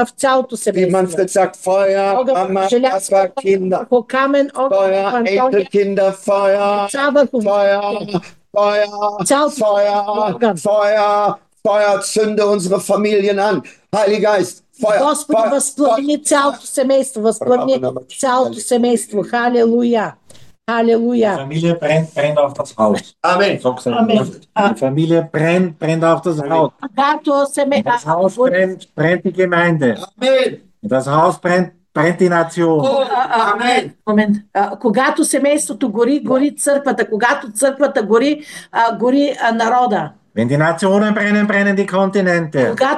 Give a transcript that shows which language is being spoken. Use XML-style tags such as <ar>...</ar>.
<de>Familie. Wie Manfred sagt, Feuer, Mama, das war Kinder. Feuer, Enkelkinder, Feuer, Feuer, Feuer, Feuer, Feuer, zünde unsere Familien an. Heiliger Geist.</de> <bg>Господи, воспламени цялото семейство, воспламени цялото семейство. Халелуя. Halleluja.</bg> <de>Die Familie brennt auf das Haus. Amen. Amen. Die Familie brennt auf das Haus. Das Haus brennt die Gemeinde. Amen. Das Haus brennt die Nation. Amen. Moment.</de> <bg>Когато семейството гори, гори църквата. Когато църквата гори, гори народа.</bg> <de>Wenn die Nationen brennen, brennen die Kontinente.</de>